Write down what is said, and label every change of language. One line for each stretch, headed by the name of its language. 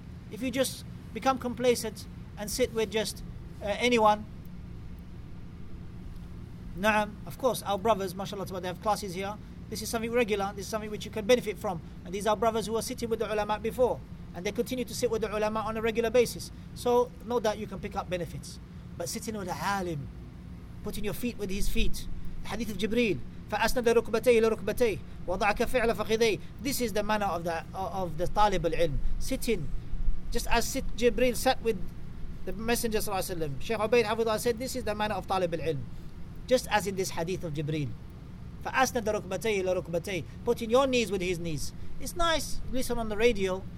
English: If you just become complacent and sit with just anyone, na'am, of course, our brothers, mashallah, they have classes here. This is something regular, this is something which you can benefit from. And these are brothers who are sitting with the ulama before. And they continue to sit with the ulama on a regular basis. So know that you can pick up benefits. But sitting with the alim, putting your feet with his feet. The hadith of Jibreel,
Arabic: فَأَسْنَدَ رُكْبَتَيْهِ لَرُكْبَتَيْهِ وَضَعَكَ فِعْلَ فَخِذَيْهِ.
English: This is the manner of the talib al-ilm. Sitting, just as Jibreel sat with the Messenger sallallahu alayhi wa sallam. Shaykh Ubayd Hafidhullah said, this is the manner of talib al-ilm. Just as in this hadith of Jibreel.
Arabic: فَأَسْنَدَ رُكْبَتَيْهِ لَرُكْبَتَيْهِ.
English: Putting your knees with his knees. It's nice, listen on the radio.